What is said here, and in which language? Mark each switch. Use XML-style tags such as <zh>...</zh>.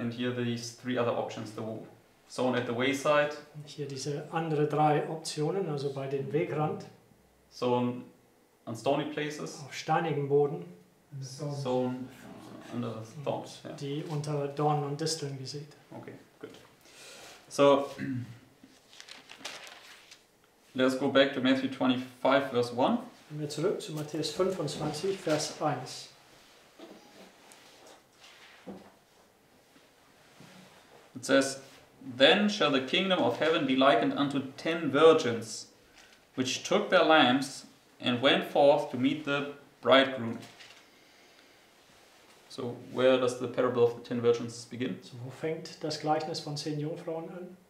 <en>And here these three other options, the sown at the wayside.</en> <de>Und hier diese andere drei Optionen, also bei den Wegrand.</de> <en>So on stony places.</en> <de>Auf steinigen Boden.</de> <en>So under thorns. Yeah.</en> <de>Die unter Dornen und Disteln gesät.</de> <en>Okay, good. So let's go back to Matthew 25, verse 1.</en> <de>Gehen wir zurück zu Matthäus 25, Vers 1.</de> <en>It says, "Then shall the kingdom of heaven be likened unto 10 virgins, which took their lamps and went forth to meet the bridegroom." So where does the parable of the 10 virgins begin?</en> <de>So wo fängt das Gleichnis von 10 Jungfrauen an?</de>